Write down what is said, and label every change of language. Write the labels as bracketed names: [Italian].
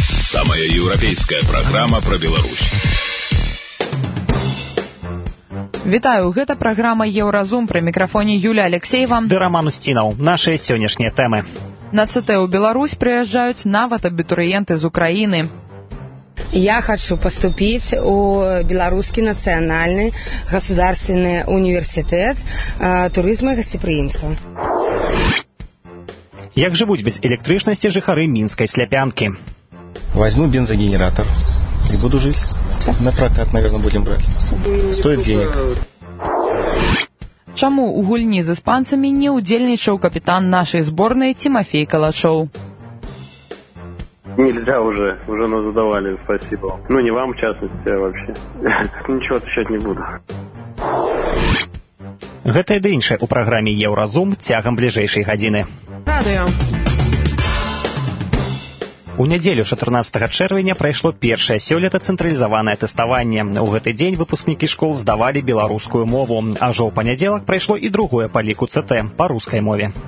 [Russian] Самая европейская программа про Беларусь. [Belarusian] Вітаю, гэта праграма Еўразум, пры мікрафоне Юлія Алексеева ды Раман Усцінаў. Нашыя сённяшнія тэмы. На ЦТ ў Беларусь прыязджаюць нават абітурыенты з Украіны. Я хачу паступіць у беларускі нацыянальны [Russian] государственны [Belarusian] універсітэт турызму і гасцепрыемства. Як жывуць без электрычнасці жыхары мінскай сляпянкі? [Russian] Возьму [Belarusian] бензогенератор і буду жыць. [Russian] На прокат, наверное, будем брать. Стоит денег. [Belarusian] Чаму у гульні з іспанцамі не удзельнічаў капітан нашай зборнай Тимофей Калачоў? [Russian] Нельзя уже, уже нас задавали, спасибо. Ну не вам, в частности, а вообще. Ничего отвечать не буду. [Belarusian] Гэта і іншае у праграме Еўразум цягам бліжэйшай гадзіны. Радыё. У нядзелю 14 чэрвеня прайшло першае сёлета цэнтралізаванае тэставанне. У гэты дзень выпускнікі школ здавалі беларускую мову, а ўжо ў панядзелак прайшло і другое па ліку ЦТ па рускай мове.